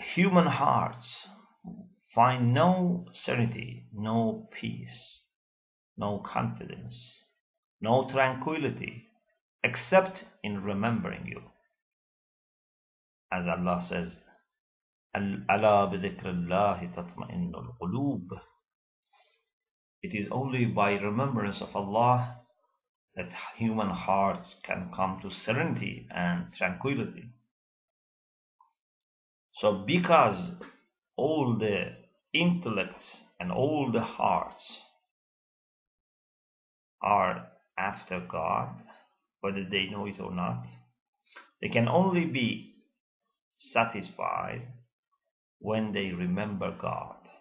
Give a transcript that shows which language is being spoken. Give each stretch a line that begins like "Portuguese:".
English: Human hearts find no serenity, no peace, no confidence, no tranquility, except in remembering you. As Allah says,
Arabic: أَلَا بِذِكْرِ اللَّهِ تَطْمَئِنُّ الْقُلُوبِ.
English: It is only by remembrance of Allah that human hearts can come to serenity and tranquility. So because all the intellects and all the hearts are after God, whether they know it or not, they can only be satisfied when they remember God.